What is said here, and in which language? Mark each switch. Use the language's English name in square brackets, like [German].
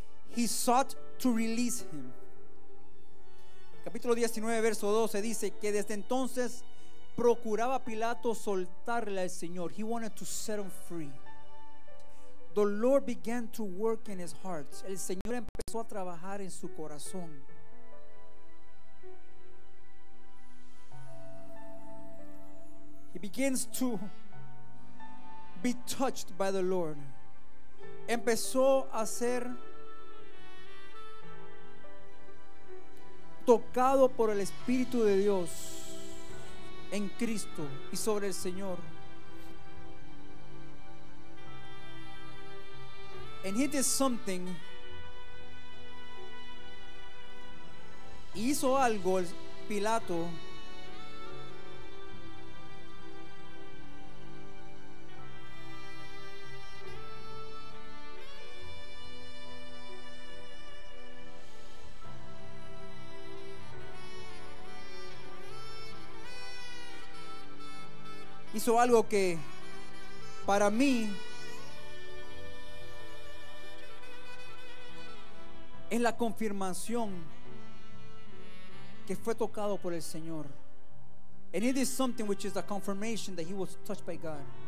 [English] He sought to release him. [Spanish] Capítulo 19, verso 12 dice que desde entonces procuraba Pilato soltarle al Señor. [English] He wanted to set him free. The Lord began to work in his heart. [Spanish] El Señor empezó a trabajar en su corazón. [English] He begins to be touched by the Lord. [Spanish] Empezó a ser tocado por el Espíritu de Dios en Cristo y sobre el Señor. [English] And he did something. [Spanish] Hizo algo Pilato. Hizo algo que para mí es la confirmación que fue tocado por el Señor. [English] And it is something which is the confirmation that he was touched by God.